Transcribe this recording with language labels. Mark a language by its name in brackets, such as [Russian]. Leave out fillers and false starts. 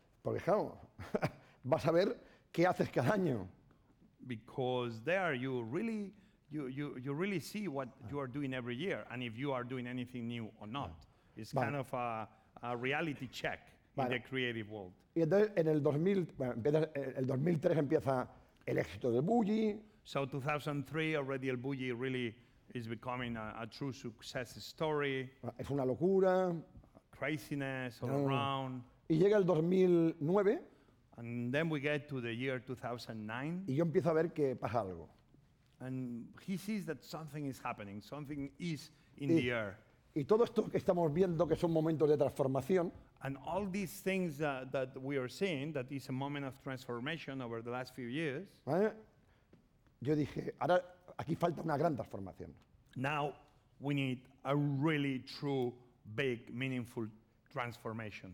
[Spanish] Porque claro, vas a ver qué haces cada año. [English] Because there you really see what you are doing every year and if you are doing anything new or not. It's kind of a reality check in the creative world. [Spanish] Y entonces en el 2003 empieza el éxito de Bulli. [English] So 2003 already el Bulli really is becoming a true success story. [Spanish] Es una locura. [English] Craziness all around. [Spanish] Y llega el 2009. [English] And then we get to the year 2009. [Spanish] Y yo empiezo a ver que pasa algo. [English] And he sees that something is happening. Something is in the air. [Spanish] Y todo esto que estamos viendo que son momentos de transformación. [English] And all these things that we are seeing, that is a moment of transformation over the last few years. [Spanish] Yo dije, ahora aquí falta una gran transformación. [English] Now we need a really true, big, meaningful transformation.